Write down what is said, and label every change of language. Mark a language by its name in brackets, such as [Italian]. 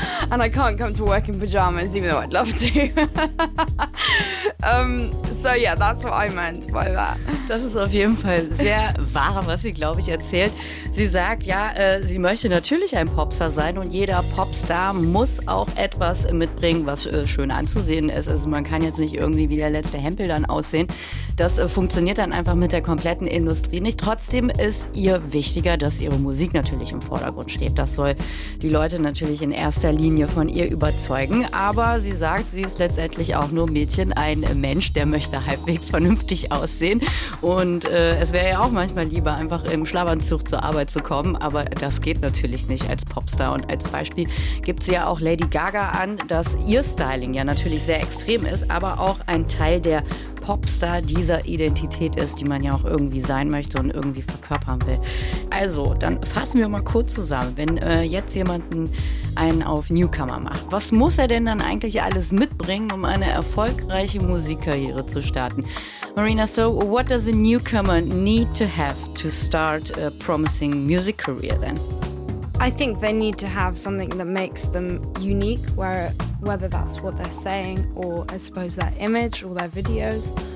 [English] And I can't come to work in pajamas, even though I'd love to. yeah, that's what I meant by that. [German] Das ist auf jeden Fall sehr wahr, was sie, glaube ich, erzählt. Sie sagt, ja, sie möchte natürlich ein Popstar sein und jeder Popstar muss auch etwas mitbringen, was schön anzusehen ist. Also man kann jetzt nicht irgendwie wie der letzte Hempel dann aussehen. Das funktioniert dann einfach mit der kompletten Industrie nicht. Trotzdem ist ihr wichtiger, dass ihre Musik natürlich im Vordergrund steht. Das soll die Leute natürlich in erster Linie von ihr überzeugen. Aber sie sagt, sie ist letztendlich auch nur Mädchen, ein Mensch, der möchte halbwegs vernünftig aussehen. Und es wäre ja auch manchmal lieber, einfach im Schlafanzug zur Arbeit zu kommen. Aber das geht natürlich nicht als Popstar. Und als Beispiel gibt sie ja auch Lady Gaga an, dass ihr Styling ja natürlich sehr extrem ist, aber auch ein Teil der Popstar dieser Identität ist, die man ja auch irgendwie sein möchte und irgendwie verkörpern will. Also, dann fassen wir mal kurz zusammen. Wenn jetzt jemand einen auf Newcomer macht, was muss er denn dann eigentlich alles mitbringen, um eine erfolgreiche Musikkarriere zu starten? [English] Marina, so what does a newcomer need to have to start a promising music career then? I think they need to have something that makes them unique, whether that's what they're saying or, I suppose, their image or their videos.